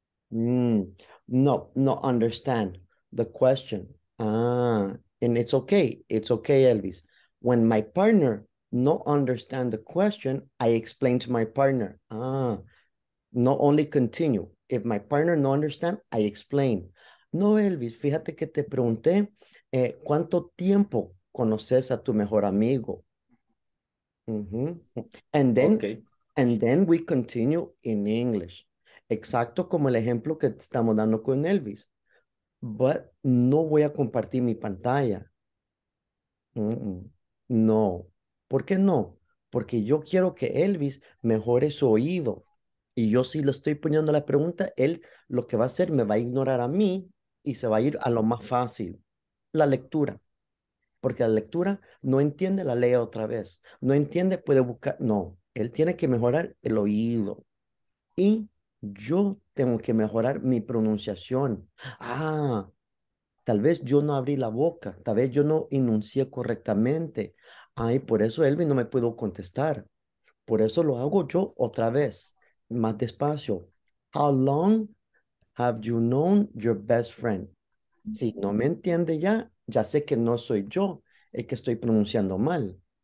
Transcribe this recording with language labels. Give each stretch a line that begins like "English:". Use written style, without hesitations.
English: No, understand the question. And it's okay. It's okay, Elvis. When my partner not understand the question, I explain to my partner. not only continue. If my partner no understand, I explain.
Spanish: No, Elvis, fíjate que te pregunté, ¿cuánto tiempo conoces a tu mejor amigo? Mm-hmm.
English: And then, okay. And then we continue in English.
Spanish: Exacto como el ejemplo que estamos dando con Elvis. But no voy a compartir mi pantalla. Mm-mm. No. ¿Por qué no? Porque yo quiero que Elvis mejore su oído. Y yo si le estoy poniendo la pregunta, él lo que va a hacer, me va a ignorar a mí y se va a ir a lo más fácil, la lectura. Porque la lectura no entiende, la lee otra vez. No entiende, puede buscar. No, él tiene que mejorar el oído. Y yo tengo que mejorar mi pronunciación. Ah, tal vez yo no abrí la boca, tal vez yo no enuncié correctamente. Ay, por eso Elvis no me pudo contestar. Por eso lo hago yo otra vez, más despacio.
English: How long have you known your best friend?
Spanish: Si no me entiende ya, ya sé que no soy yo el que estoy pronunciando mal.